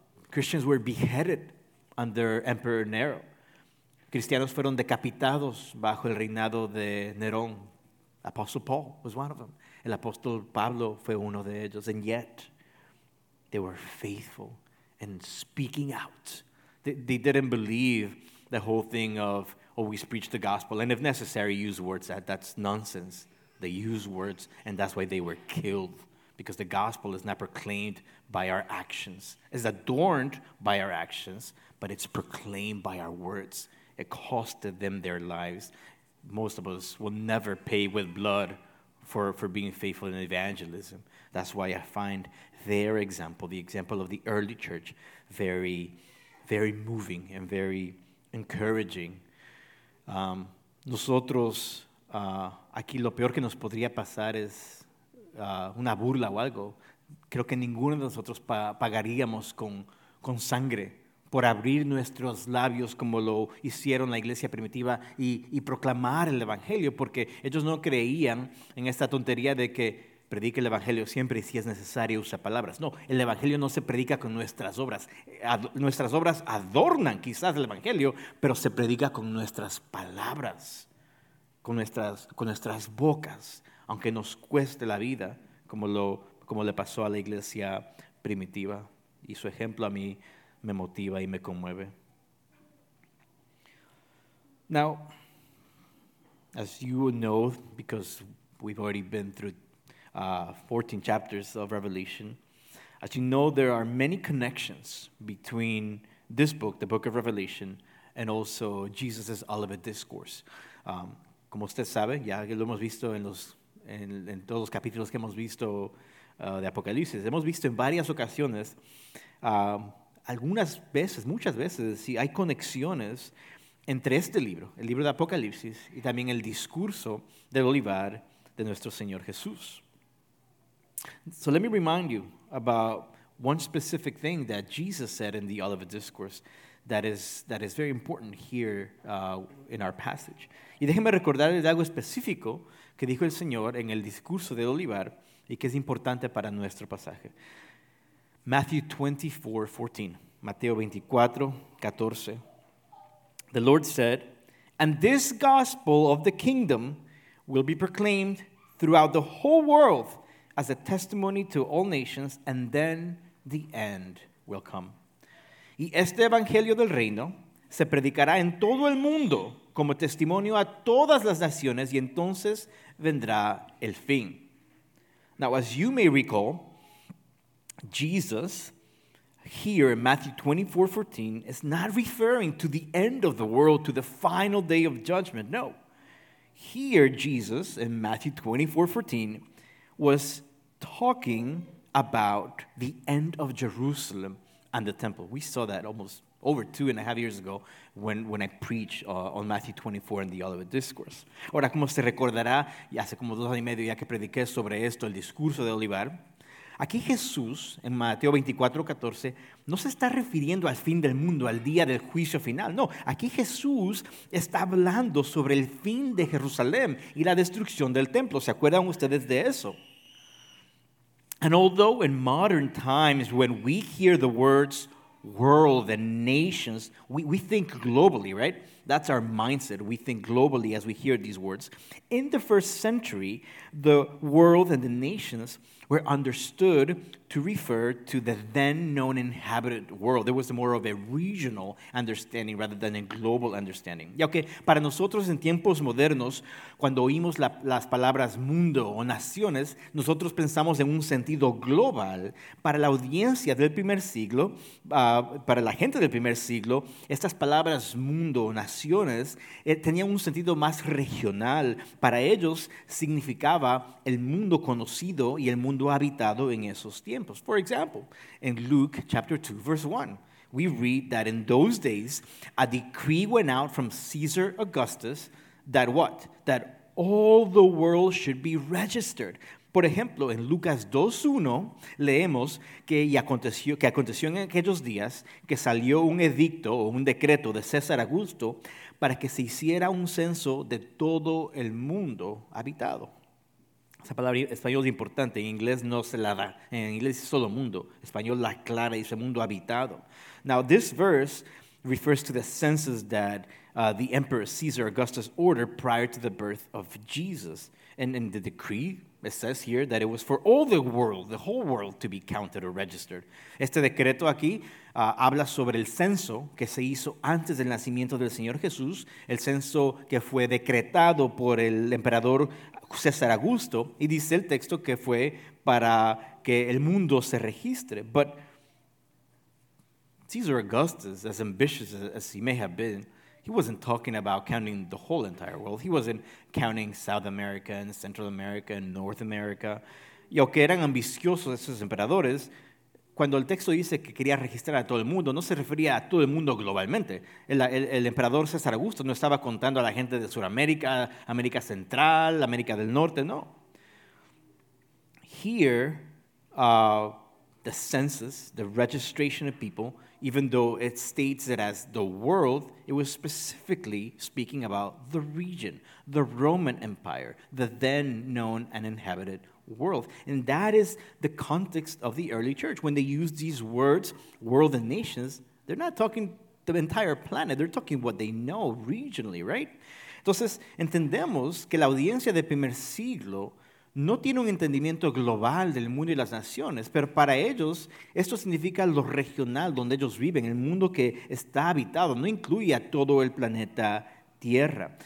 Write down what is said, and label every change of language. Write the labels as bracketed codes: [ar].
[en] Christians were beheaded under Emperor Nero. [es] Cristianos fueron decapitados bajo el reinado de Nerón. [en] Apostle Paul was one of them. [es] El apóstol Pablo fue uno de ellos. [en] And yet, they were faithful in speaking out. They didn't believe the whole thing of always preach the gospel. And if necessary, use words. That's nonsense. They use words, and that's why they were killed. Because the gospel is not proclaimed by our actions. It's adorned by our actions, but it's proclaimed by our words. It costed them their lives. Most of us will never pay with blood for being faithful in evangelism. That's why I find their example, the example of the early church, very, very moving and very encouraging. [es] Nosotros, aquí lo peor que nos podría pasar es una burla o algo. Creo que ninguno de nosotros pagaríamos con sangre por abrir nuestros labios como lo hicieron la iglesia primitiva y proclamar el evangelio, porque ellos no creían en esta tontería de que predique el evangelio siempre y si es necesario usa palabras. No, el evangelio no se predica con nuestras obras. Nuestras obras adornan quizás el evangelio, pero se predica con nuestras palabras, con nuestras bocas, aunque nos cueste la vida, como le pasó a la iglesia primitiva. Y su ejemplo a mí me motiva y me conmueve. [en] Now, as you know, because we've already been through 14 chapters of Revelation, as you know, there are many connections between this book, the book of Revelation, and also Jesus' Olivet Discourse. [es] Como usted sabe, ya lo hemos visto en todos los capítulos que hemos visto de Apocalipsis, hemos visto en varias ocasiones algunas veces, muchas veces, sí, hay conexiones entre este libro, el libro de Apocalipsis, y también el discurso del olivar de nuestro Señor Jesús. [en] So let me remind you about one specific thing that Jesus said in the Olivet Discourse that is very important here in our passage. [es] Y déjeme recordarles algo específico que dijo el Señor en el discurso del olivar y que es importante para nuestro pasaje. [en] Matthew 24:14. Mateo 24:14. The Lord said, "And this gospel of the kingdom will be proclaimed throughout the whole world as a testimony to all nations, and then the end will come. [es] Y este evangelio del reino se predicará en todo el mundo como testimonio a todas las naciones, y entonces vendrá el fin. [en] Now, as you may recall, Jesus, here in Matthew 24:14, is not referring to the end of the world, to the final day of judgment. No. Here, Jesus, in Matthew 24:14, was talking about the end of Jerusalem and the temple. We saw that almost over 2.5 years ago when I preached on Matthew 24 and the Olivet Discourse. [es] Ahora, como se recordará, ya hace como 2 años y medio ya que prediqué sobre esto, el discurso de Olivar, aquí Jesús, en Mateo 24:14, no se está refiriendo al fin del mundo, al día del juicio final. No, aquí Jesús está hablando sobre el fin de Jerusalén y la destrucción del templo. ¿Se acuerdan ustedes de eso? [en] And although in modern times, when we hear the words world and nations, we think globally, right? That's our mindset. We think globally as we hear these words. In the first century, the world and the nations were understood to refer to the then known inhabited world. There was more of a regional understanding rather than a global understanding. [es] Y aunque para nosotros en tiempos modernos, cuando oímos las palabras mundo o naciones, nosotros pensamos en un sentido global, para la audiencia del primer siglo, para la gente del primer siglo, estas palabras mundo o naciones tenían un sentido más regional. Para ellos significaba el mundo conocido y el mundo habitado en esos tiempos. [en] For example, in Luke chapter 2, verse 1, we read that in those days, a decree went out from Caesar Augustus that what? That all the world should be registered. [es] Por ejemplo, en Lucas 2:1 leemos que aconteció en aquellos días que salió un edicto o un decreto de César Augusto para que se hiciera un censo de todo el mundo habitado. Esa palabra español es importante, en inglés no se la da, en inglés es solo mundo, en español la clara dice mundo habitado. [en] Now this verse refers to the census that the emperor Caesar Augustus ordered prior to the birth of Jesus. And in the decree, it says here that it was for all the world, the whole world to be counted or registered. [es] Este decreto aquí habla sobre el censo que se hizo antes del nacimiento del Señor Jesús, el censo que fue decretado por el emperador César Augusto, y dice el texto que fue para que el mundo se registre. [en] But Caesar Augustus, as ambitious as he may have been, he wasn't talking about counting the whole entire world. He wasn't counting South America and Central America and North America. [es] Y aunque eran ambiciosos esos emperadores, cuando el texto dice que quería registrar a todo el mundo, no se refería a todo el mundo globalmente. El emperador César Augusto no estaba contando a la gente de Sudamérica, América Central, América del Norte, no. [en] Here, the census, the registration of people, even though it states it as the world, it was specifically speaking about the region, the Roman Empire, the then known and inhabited world. And that is the context of the early church. When they use these words, world and nations, they're not talking the entire planet. They're talking what they know regionally, right? [es] Entonces, entendemos que la audiencia del primer siglo no tiene un entendimiento global del mundo y las naciones, pero para ellos esto significa lo regional donde ellos viven, el mundo que está habitado, no incluye a todo el planeta Tierra.